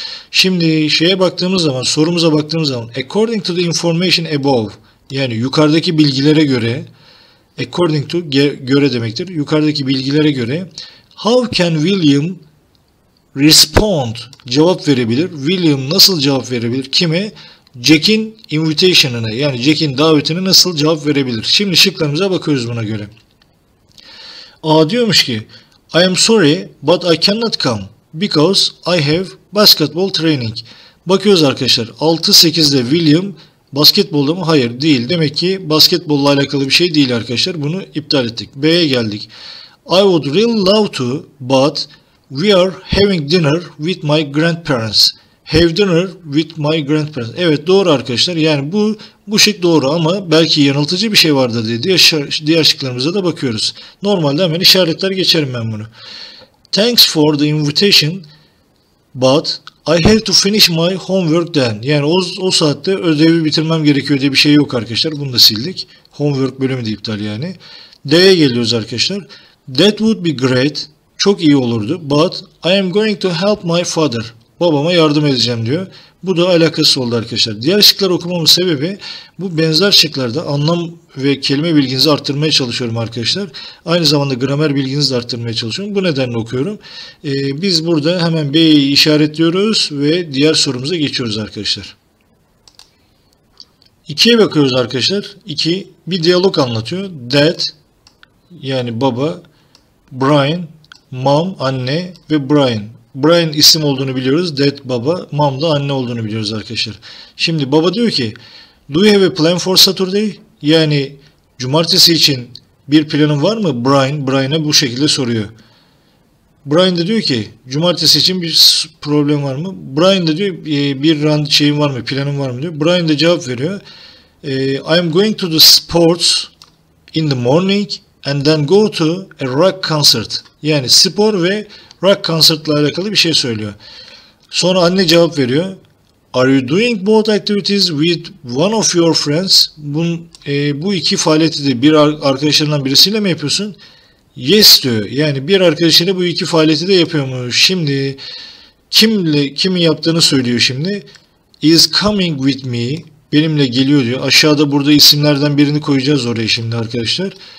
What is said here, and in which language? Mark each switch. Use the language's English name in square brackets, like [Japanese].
[Turkish] Şimdi şeye baktığımız zaman, sorumuza baktığımız zaman, [English] according to the information above, [Turkish] yani yukarıdaki bilgilere göre, according to, göre demektir, yukarıdaki bilgilere göre, [English] how can William respond, [Turkish] cevap verebilir, William nasıl cevap verebilir, kime? Jack'in invitation'ına, yani Jack'in davetine nasıl cevap verebilir? Şimdi şıklarımıza bakıyoruz buna göre. A diyormuş ki, [English] I am sorry but I cannot come because I have basketball training. [Turkish] Bakıyoruz arkadaşlar, 6-8'de William basketbolda mı? Hayır, değil. Demek ki basketbolla alakalı bir şey değil arkadaşlar. Bunu iptal ettik. B'ye geldik. [English] I would really love to but we are having dinner with my grandparents. Have dinner with my grandparents. [Turkish] Evet, doğru arkadaşlar. Yani bu şık doğru ama belki yanıltıcı bir şey vardı diye diğer şıklarımıza da bakıyoruz. Normalde hemen işaretler geçerim ben bunu. [English] Thanks for the invitation but I have to finish my homework then. [Turkish] Yani o saatte ödevi bitirmem gerekiyor diye bir şey yok arkadaşlar. Bunu da sildik. Homework bölümü de iptal yani. D'ye geliyoruz arkadaşlar. [English] That would be great. [Turkish] Çok iyi olurdu. [English] But I am going to help my father. [Turkish] Babama yardım edeceğim diyor. Bu da alakası oldu arkadaşlar. Diğer şıkları okumamın sebebi bu benzer şıklarda anlam ve kelime bilginizi arttırmaya çalışıyorum arkadaşlar. Aynı zamanda gramer bilginizi de arttırmaya çalışıyorum. Bu nedenle okuyorum. Biz burada hemen B'yi işaretliyoruz ve diğer sorumuza geçiyoruz arkadaşlar. 2'ye bakıyoruz arkadaşlar. 2 bir diyalog anlatıyor. Dad yani baba, Brian, mom anne ve Brian. Brian isim olduğunu biliyoruz. Dad baba, mom da anne olduğunu biliyoruz arkadaşlar. Şimdi baba diyor ki, [English] do you have a plan for Saturday? [Turkish] Yani cumartesi için bir planın var mı? Brian'a bu şekilde soruyor. Brian da diyor ki, cumartesi için bir problem var mı? Brian da diyor, şeyin var mı, planın var mı diyor. Brian da cevap veriyor. [English] I'm going to the sports in the morning and then go to a rock concert. [Turkish] Yani spor ve rock concert'la alakalı bir şey söylüyor. Sonra anne cevap veriyor. [English] Are you doing both activities with one of your friends? [Turkish] Bu iki faaliyeti de bir arkadaşından birisiyle mi yapıyorsun? Yes diyor. Yani bir arkadaşıyla bu iki faaliyeti de yapıyormuş. Şimdi kimin yaptığını söylüyor şimdi. [English] Is coming with me. [Turkish] Benimle geliyor diyor. Aşağıda burada isimlerden birini koyacağız oraya şimdi arkadaşlar.